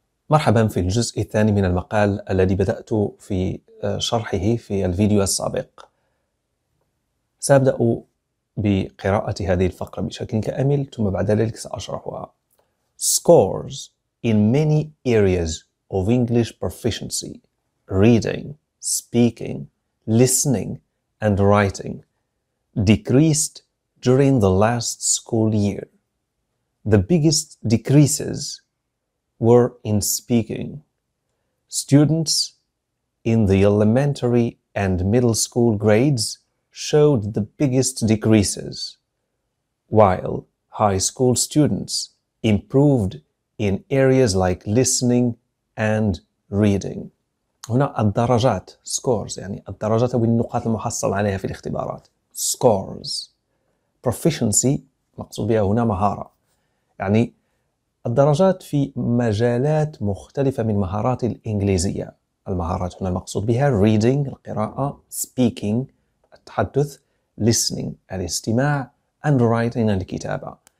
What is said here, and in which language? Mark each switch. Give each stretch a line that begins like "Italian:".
Arabic: مرحبا في الجزء الثاني من المقال الذي بدأت في شرحه في الفيديو السابق. سأبدأ بقراءة هذه الفقرة بشكل كامل، ثم بعد ذلك سأشرحها.
English: Scores in many areas of English proficiency: reading, speaking, listening and writing decreased during the last school year. The biggest decreases were in speaking. Students in the elementary and middle school grades showed the biggest decreases, while high school students improved in areas like listening and reading.
Arabic: هنا الدرجات scores، يعني الدرجات والنقاط المحصل عليها في الاختبارات scores. Proficiency مقصود بها هنا مهارة، يعني الدرجات في مجالات مختلفة من مهارات الإنجليزية. المهارات هنا المقصود بها reading القراءة، speaking التحدث، listening الاستماع، and writing الكتابة.